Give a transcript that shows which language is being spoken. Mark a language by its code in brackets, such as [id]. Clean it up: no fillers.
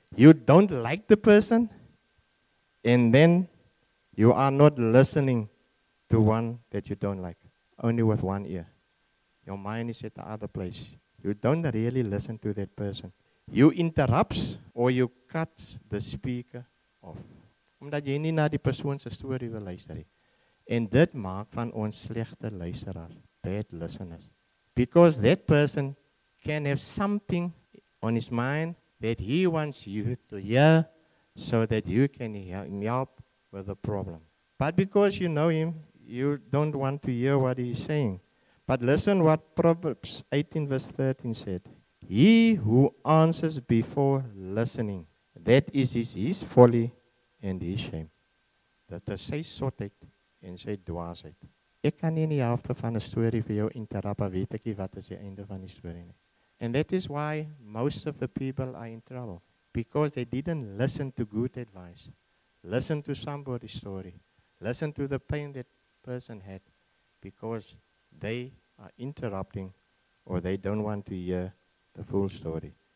[en] You don't like the person, and then you are not listening to one that you don't like, only with one ear. Your mind is at the other place. You don't really listen to that person. You interrupts or you cut the speaker off. [af] Omdat jy nie na die persoon se storie wil luister nie. En dit maak van ons slegte luisteraars, [en] bad listeners. Because that person can have something on his mind that he wants you to hear so that you can help with the problem. But because you know him, you don't want to hear what he's saying. But listen what Proverbs 18 verse 13 said. He who answers before listening, that is his folly and his shame. [af] Dat is sy sotheid en sy dwaasheid. Ek kan nie die helfte van 'n storie vir jou interrompe, weet ek nie wat is die einde van die storie nie. [en] And that is why most of the people are in trouble. Because they didn't listen to good advice. Listen to somebody's story. Listen to the pain that person had. Because they are interrupting or they don't want to hear the full story.